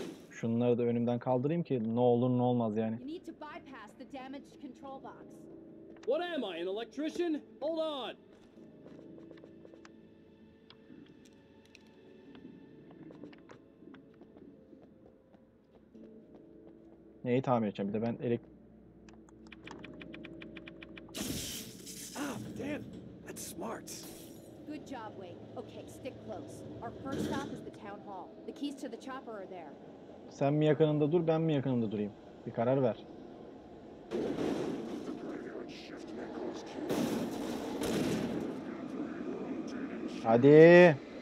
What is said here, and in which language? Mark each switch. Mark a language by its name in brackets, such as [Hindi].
[Turkish] Şunları da önümden kaldırayım ki ne olur ne olmaz yani. [English] You need to bypass the damaged control box. What am I, an electrician? Hold on. [Turkish] Neyi tamir edeceğim? Bir de ben elek... [English] Ah, damn. That's smart. Good job, Wade. Okay, stick close. Our first stop is the town hall. The keys to the chopper are there. [Turkish] Sen mi yakınında dur, ben mi yakınında durayım? Bir karar ver. Hadi.